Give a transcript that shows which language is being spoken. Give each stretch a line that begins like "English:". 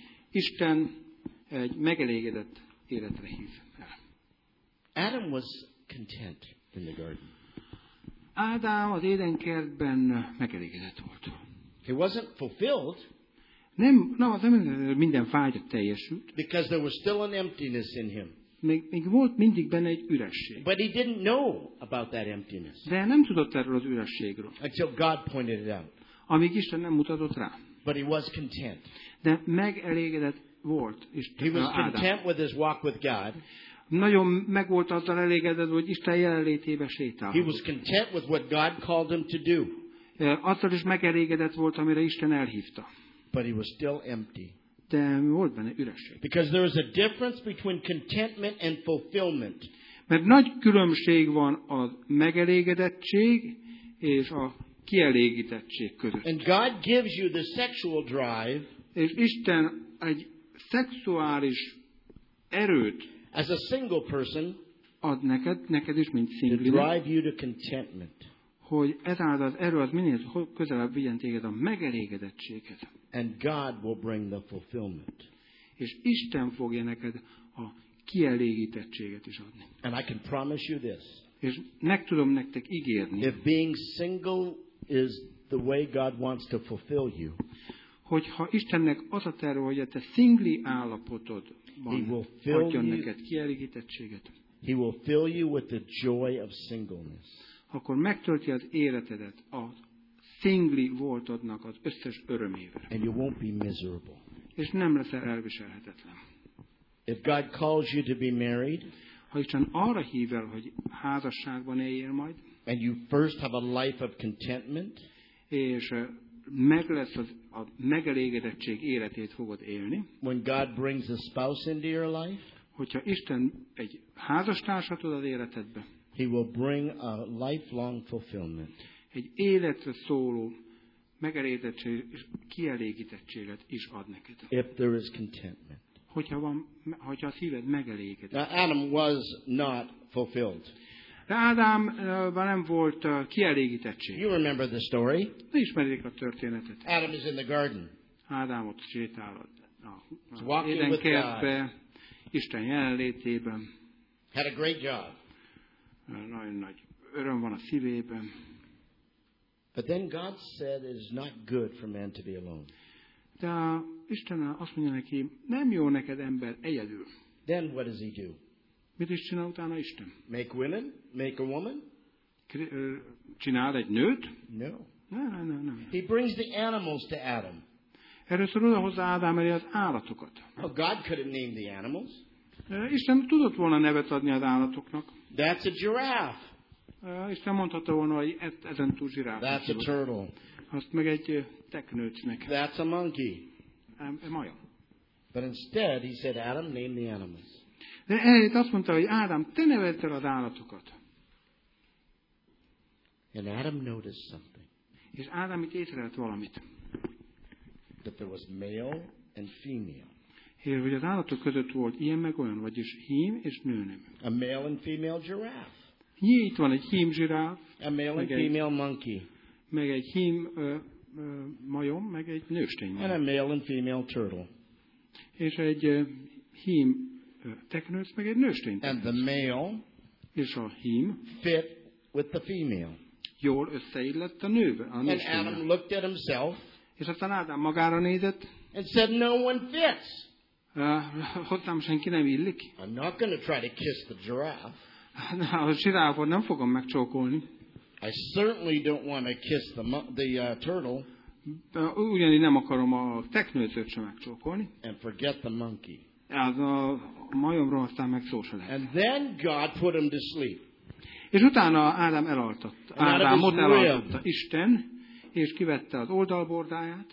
Hungarian: Isten egy megelégedett életre hív el.
English: Adam was content in the garden.
Hungarian: Ádám az Édenkertben megelégedett volt.
English: He wasn't fulfilled.
Hungarian: Nem minden vágya teljesült.
English: Because there was still an emptiness in him.
Hungarian: Még volt mindig benne egy üresség.
English: But he didn't know about that emptiness.
Hungarian: De nem tudott erről az ürességről.
English: Until God pointed it out.
Hungarian: Amíg Isten nem mutatott rá.
English: But he was content.
Hungarian: De megelégedett volt Isten.
English: He was content with his walk with God.
Hungarian: Nagyon meg volt azzal elégedett, hogy Isten jelenlétébe sétálhatott.
English: He was content with what God called him to do.
Hungarian: Attól is megelégedett volt, amire Isten elhívta.
English: But he was still empty.
Hungarian: De volt benne üresség.
English: Because there is a difference between contentment and fulfillment.
Hungarian: Mert nagy különbség van a megelégedettség és a kielégítettség között.
English: And God gives you the sexual drive.
Hungarian: És Isten egy szexuális erőt
English: as a single person
Hungarian: ad neked is, mint szinglinek,
English: to drive you to contentment.
Hungarian: Hogy ezáltal az erő az minél közelebb vigyen téged a megelégedettséghez.
English: And God will bring the fulfillment.
Hungarian: És Isten fogja neked a kielégítettséget is adni.
English: And I can promise you this.
Hungarian: És meg tudom nektek ígérni.
English: If being single is the way God wants to fulfill you.
Hungarian: Hogyha Istennek az a terve, hogy a te szingli állapotodban adjon neked kielégítettséget.
English: He will fill you with the joy of singleness.
Hungarian: Akkor megtölti az életedet a szingli voltodnak az összes örömével.
English: And you won't be miserable.
Hungarian: És nem leszel elviselhetetlen.
English: If God calls you to be married,
Hungarian: ha Isten arra hív el, hogy házasságban éljél majd,
English: and you first have a life of contentment,
Hungarian: és meg lesz a megelégedettség életét fogod élni,
English: when God brings a spouse into your life,
Hungarian: hogyha Isten egy házastársat ad az életedbe,
English: he will bring a lifelong fulfillment.
Hungarian: Egy életre szóló megelégedettség és kielégítettséget is ad neked.
English: If there is contentment.
Hungarian: Hogyha a szíved megelégedett.
English: Now Adam was not fulfilled.
Hungarian: De Ádám nem volt kielégítettség.
English: You remember the story?
Hungarian: Ismeritek a történetet.
English: Adam is in the garden.
Hungarian: Ádám ott sétál az Édenkertbe, Isten jelenlétében.
English: Had a great job.
Hungarian: Nagyon nagy öröm van a szívében.
English: But then God said it is not good for man to be alone.
Hungarian: De Isten azt mondja neki, nem jó neked ember egyedül.
English: Then what does he do?
Hungarian: Mit is csinál utána Isten?
English: Make women? Make a woman?
Hungarian: Csinál egy nőt?
English: No. No. He brings the animals to Adam.
Hungarian: Először oda hozza Ádám elé az állatokat.
English: Oh, God could have named the animals.
Hungarian: Isten tudott volna nevet adni az állatoknak.
English: That's a giraffe.
Hungarian: Isten mondhatta volna, hogy ezen túl zsiráf.
English: That's a turtle.
Hungarian: Azt meg egy teknőcnek.
English: That's a monkey.
Hungarian: A maja.
English: But instead, he said, Adam, name the animals.
Hungarian: De ehelyett azt mondta, hogy Ádám, te nevedd el az állatokat.
English: And Adam noticed something.
Hungarian: És Ádám itt észrevett valamit.
English: That there was male and female.
Hungarian: Hér, hogy az állatok között volt ilyen meg olyan, vagyis hím és nőnem.
English: A male and female giraffe.
Hungarian: Itt van egy hím zsiráf,
English: a male and female monkey.
Hungarian: Meg egy hím majom, meg egy nőstény majom.
English: And a male and female turtle.
Hungarian: És egy hím teknősz, meg egy nőstény teknősz.
English: And the male
Hungarian: és a hím
English: fit with the female.
Hungarian: Jól összeillett a nővel, a nőstény.
English: And Adam looked at himself.
Hungarian: És aztán Ádám magára nézett.
English: And said, no one fits.
Hungarian: Hozzám senki nem illik.
English: I'm not going to try to kiss the giraffe.
Hungarian: A zsiráfot nem fogom megcsókolni.
English: I certainly don't want to kiss the turtle.
Hungarian: Ugyanígy nem akarom a teknőcöt sem megcsókolni.
English: And forget the monkey.
Hungarian: Az a majomról aztán meg szó se lehet.
English: And then God put him to sleep.
Hungarian: És utána Ádám elaltatta. Ádámot elaltatta Isten, és kivette az oldalbordáját.